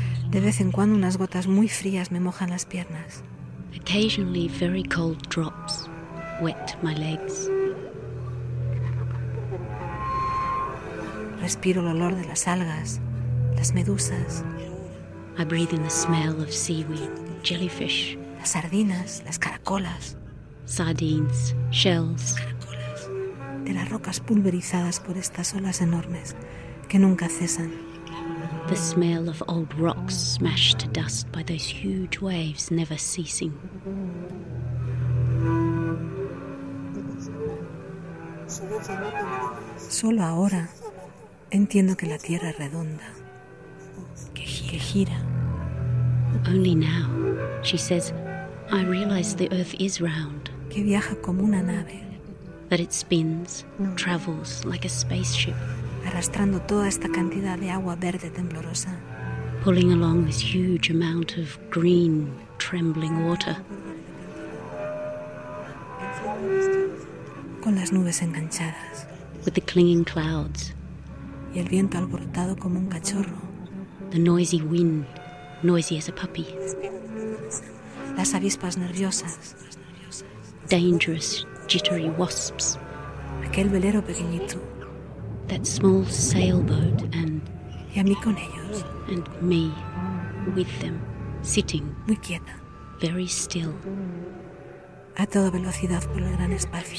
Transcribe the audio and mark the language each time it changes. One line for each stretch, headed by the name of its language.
Spanish: De vez en cuando unas gotas muy frías me mojan las piernas.
English: Occasionally very cold drops wet my legs.
Spanish: Respiro el olor de las algas, las medusas.
English: I breathe in the smell of seaweed, jellyfish.
Spanish: Las sardinas, las caracolas.
English: Sardines, shells.
Spanish: Caracolas. De las rocas pulverizadas por estas olas enormes que nunca cesan.
English: The smell of old rocks smashed to dust by those huge waves never ceasing.
Spanish: Solo ahora entiendo que la tierra es redonda, que gira.
English: Only now, she says, I realize the earth is round.
Spanish: Que viaja como una nave.
English: That it spins, travels like a spaceship.
Spanish: Arrastrando toda esta cantidad de agua verde temblorosa.
English: Pulling along this huge amount of green, trembling water.
Spanish: Con las nubes enganchadas.
English: With the clinging clouds.
Spanish: Y el viento alborotado como un cachorro.
English: The noisy wind, noisy as a puppy.
Spanish: Las avispas nerviosas.
English: Dangerous, jittery wasps.
Spanish: Aquel velero pequeñito.
English: That small sailboat and...
Spanish: Y a mí con ellos.
English: And me, with them, sitting.
Spanish: Muy quieta.
English: Very still.
Spanish: A toda velocidad por el gran espacio.